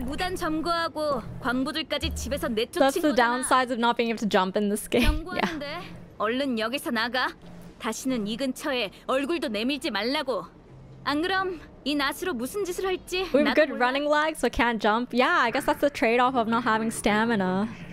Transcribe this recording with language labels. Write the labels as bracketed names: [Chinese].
[English] the downsides of not being able to jump in this game. Yeah. [Korean] 얼른 여기서 나가. 다시는 이 근처에 얼굴도 내밀지 말라고. 안 그럼 이 낯으로 무슨 짓을 할지 나도 몰라. [English] We have good running legs, so can't jump. Yeah, I guess that's the trade-off of not having stamina.